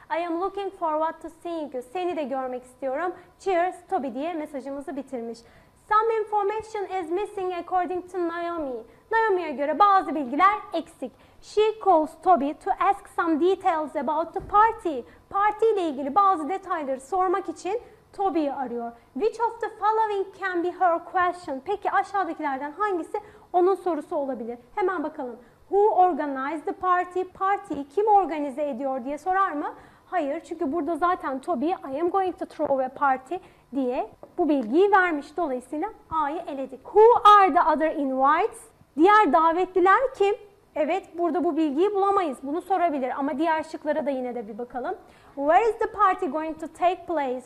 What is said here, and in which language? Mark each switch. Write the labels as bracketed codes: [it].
[en] I am looking forward to seeing you. [tr] Seni de görmek istiyorum. [en] Cheers, Toby [tr] diye mesajımızı bitirmiş. [en] Some information is missing according to Naomi. [tr] Naomi'ye göre bazı bilgiler eksik. [en] She calls Toby to ask some details about the party. [tr] Parti ile ilgili bazı detayları sormak için Toby'yi arıyor. [en] Which of the following can be her question? [tr] Peki aşağıdakilerden hangisi onun sorusu olabilir? Hemen bakalım. [en] Who organized the party? [tr] Partiyi kim organize ediyor diye sorar mı? Hayır, çünkü burada zaten Toby [en] I am going to throw a party [tr] diye bu bilgiyi vermiş. Dolayısıyla A'yı eledik. [en] Who are the other invites? [tr] Diğer davetliler kim? Evet, burada bu bilgiyi bulamayız. Bunu sorabilir ama diğer şıklara da yine de bir bakalım. [en] Where is the party going to take place?